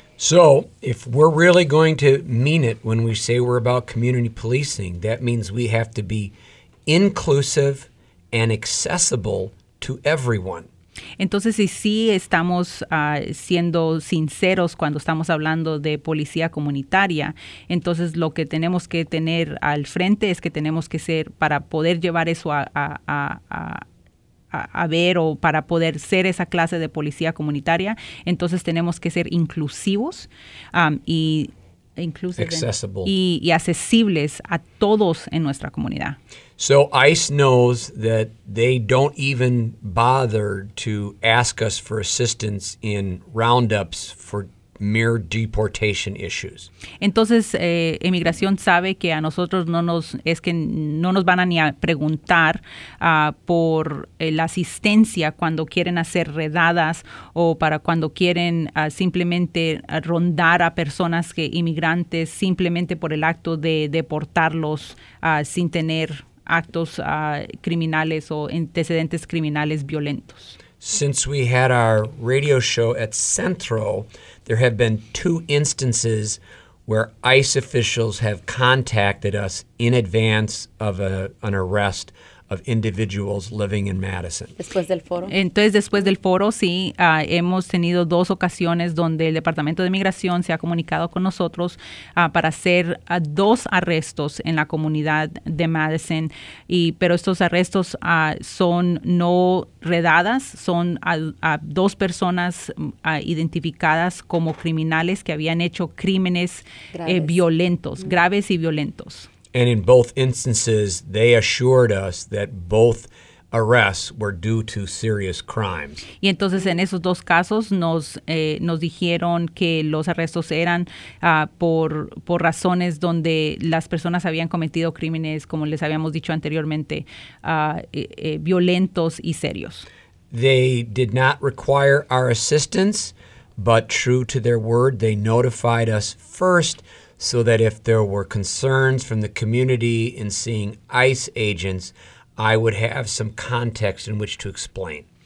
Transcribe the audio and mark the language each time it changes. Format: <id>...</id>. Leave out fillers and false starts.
<en>So, if we're really going to mean it when we say we're about community policing, that means we have to be inclusive and accessible to everyone.</en> <es>Entonces, si sí estamos siendo sinceros cuando estamos hablando de policía comunitaria, entonces lo que tenemos que tener al frente es que tenemos que ser, para poder llevar eso a ver o para poder ser esa clase de policía comunitaria, entonces tenemos que ser inclusivos y</es> <en>inclusive accessible.</en> <es>Y accesibles a todos en nuestra comunidad.</es> <en>So ICE knows that they don't even bother to ask us for assistance in roundups for mere deportation issues.</en> <es>Entonces, inmigración sabe que a nosotros no nos van a ni a preguntar por la asistencia cuando quieren hacer redadas o para cuando quieren simplemente rondar a personas que inmigrantes simplemente por el acto de deportarlos sin tener actos criminales o antecedentes criminales violentos.</es> <en>Since we had our radio show at Centro, there have been two instances where ICE officials have contacted us in advance of an arrest of individuals living in Madison.</en> <es>Después del foro. Entonces, después del foro, sí, hemos tenido dos ocasiones donde el Departamento de Migración se ha comunicado con nosotros para hacer dos arrestos en la comunidad de Madison. Pero estos arrestos son no redadas, son a dos personas identificadas como criminales que habían hecho crímenes graves y violentos.</es> <en>And in both instances, they assured us that both arrests were due to serious crimes.</en> <es>Y entonces en esos dos casos nos dijeron que los arrestos eran por razones donde las personas habían cometido crímenes, como les habíamos dicho anteriormente, violentos y serios.</es> <en>They did not require our assistance, but true to their word, they notified us first so that if there were concerns from the community in seeing ICE agents, I would have some context in which to explain.</en>